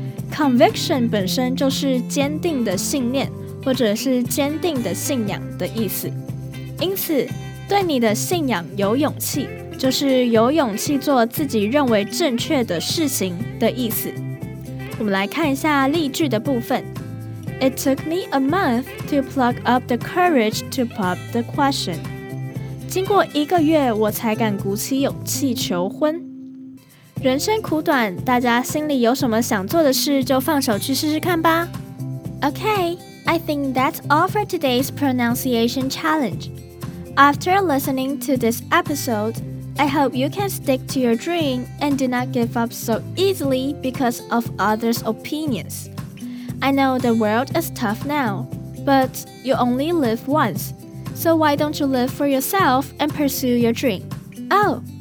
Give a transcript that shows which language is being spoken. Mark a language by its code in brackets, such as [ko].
[zh] Conviction 本身就是坚定的信念，或者是坚定的信仰的意思。因此，对你的信仰有勇气，就是有勇气做自己认为正确的事情的意思。我们来看一下例句的部分。 [en] It took me a month to pluck up the courage to pop the question. [zh] 经过一个月，我才敢鼓起勇气求婚。人生苦短，大家心里有什么想做的事，就放手去试试看吧。 [en] Okay, I think that's all for today's pronunciation challenge. After listening to this episode, I hope you can stick to your dream and do not give up so easily because of others' opinions. I know the world is tough now, but you only live once, so why don't you live for yourself and pursue your dream? Oh!